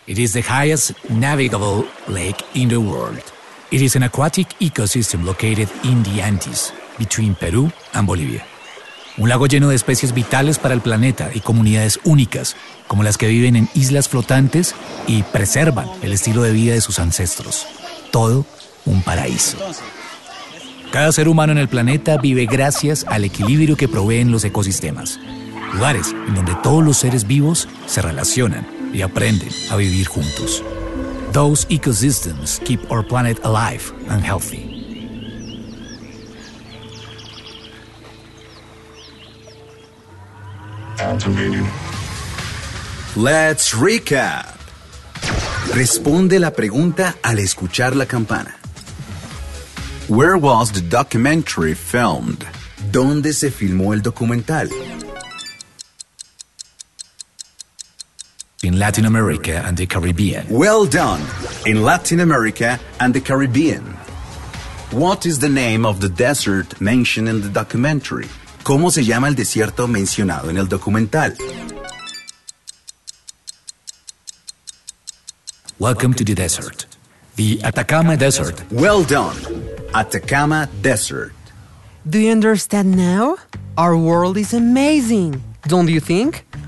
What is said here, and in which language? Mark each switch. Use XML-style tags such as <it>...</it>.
<en>It is the highest navigable lake in the world. It is an aquatic ecosystem located in the Andes, between Peru and Bolivia.</en> <es>Un lago lleno de especies vitales para el planeta y comunidades únicas, como las que viven en islas flotantes y preservan el estilo de vida de sus ancestros. Todo un paraíso. Cada ser humano en el planeta vive gracias al equilibrio que proveen los ecosistemas. Lugares en donde todos los seres vivos se relacionan y aprenden a vivir juntos.</es> <en>Those ecosystems keep our planet alive and healthy. Let's recap.</en> <es>Responde la pregunta al escuchar la campana.</es> <en>Where was the documentary filmed?</en> <es>¿Dónde se filmó el documental?</es> <en>In Latin America and the Caribbean. Well done! In Latin America and the Caribbean. What is the name of the desert mentioned in the documentary?</en> <es>¿Cómo se llama el desierto mencionado en el documental?</es> <en>Welcome to the desert. The Atacama Desert. Well done! Atacama Desert. Do you understand now? Our world is amazing, don't you think?</en>